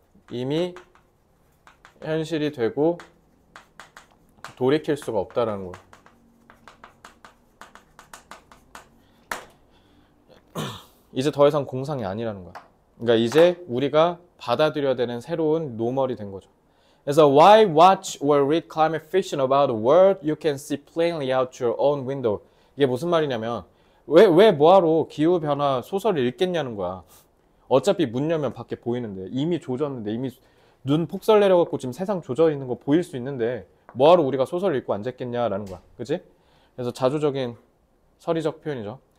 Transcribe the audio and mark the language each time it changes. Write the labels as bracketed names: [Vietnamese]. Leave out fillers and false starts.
[Korean] 이미 현실이 되고 돌이킬 수가 없다라는 거. 이제 더 이상 공상이 아니라는 거야. 그러니까 이제 우리가 받아들여야 되는 새로운 노멀이 된 거죠. 그래서 [English] why watch or read climate fiction about a world you can see plainly out your own window? [Korean] 이게 무슨 말이냐면 왜 뭐하러 기후 변화 소설을 읽겠냐는 거야. 어차피 문 열면 밖에 보이는데, 이미 조졌는데, 이미 눈 폭설 내려갖고 지금 세상 조져 있는 거 보일 수 있는데, 뭐하러 우리가 소설 읽고 앉았겠냐라는 거야. 그지? 그래서 자조적인 서리적 표현이죠.